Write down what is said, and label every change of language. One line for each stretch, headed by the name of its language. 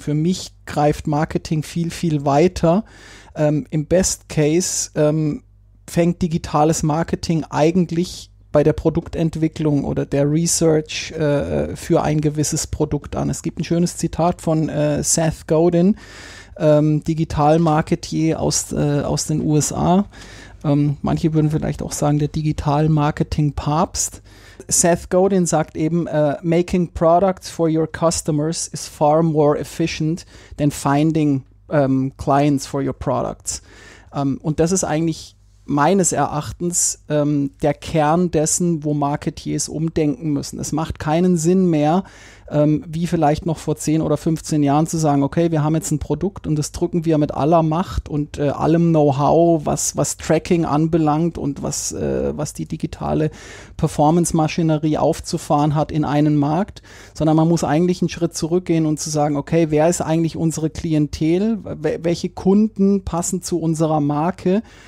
German: Für mich greift Marketing viel, viel weiter. Im Best Case fängt digitales Marketing eigentlich bei der Produktentwicklung oder der Research für ein gewisses Produkt an. Es gibt ein schönes Zitat von Seth Godin, Digital-Marketier aus den USA. Manche würden vielleicht auch sagen, der Digital-Marketing-Papst. Seth Godin sagt eben,
English: making products for your customers is far more efficient than finding clients for your products.
German: Und das ist eigentlich meines Erachtens der Kern dessen, wo Marketiers umdenken müssen. Es macht keinen Sinn mehr, wie vielleicht noch vor 10 oder 15 Jahren zu sagen, okay, wir haben jetzt ein Produkt und das drücken wir mit aller Macht und allem Know-how, was Tracking anbelangt und was die digitale Performance-Maschinerie aufzufahren hat in einen Markt, sondern man muss eigentlich einen Schritt zurückgehen und zu sagen, okay, wer ist eigentlich unsere Klientel, welche Kunden passen zu unserer Marke?